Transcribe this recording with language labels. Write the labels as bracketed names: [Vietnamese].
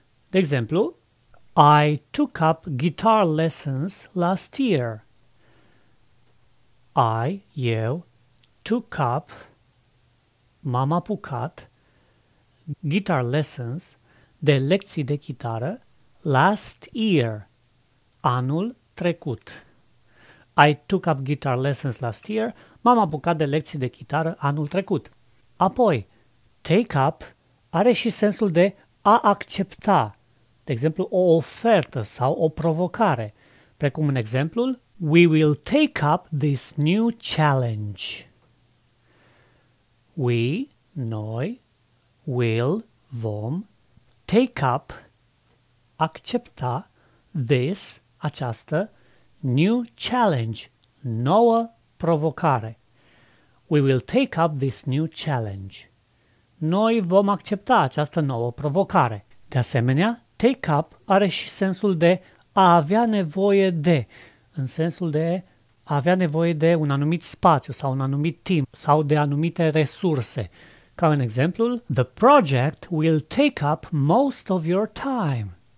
[Romanian] De exemplu, [English] I took up guitar lessons last year. [Romanian] Eu took up, m-am apucat, [English] guitar lessons, [Romanian] de lecții de chitară, [English] last year, [Romanian] anul trecut. [English] I took up guitar lessons last year, [Romanian] m-am apucat de lecții de chitară anul trecut. Apoi, take up are și sensul de a accepta, de exemplu, o ofertă sau o provocare, precum în exemplul, [English] we will take up this new challenge. We, noi, will, vom, take up, accepta, this, această, new challenge, [Romanian] nouă provocare. [English] We will take up this new challenge. [Romanian] Noi vom accepta această nouă provocare. De asemenea, take up are și sensul de a avea nevoie de, în sensul de a avea nevoie de un anumit spațiu sau un anumit timp sau de anumite resurse. Ca în exemplul, [English] the project will take up most of your time.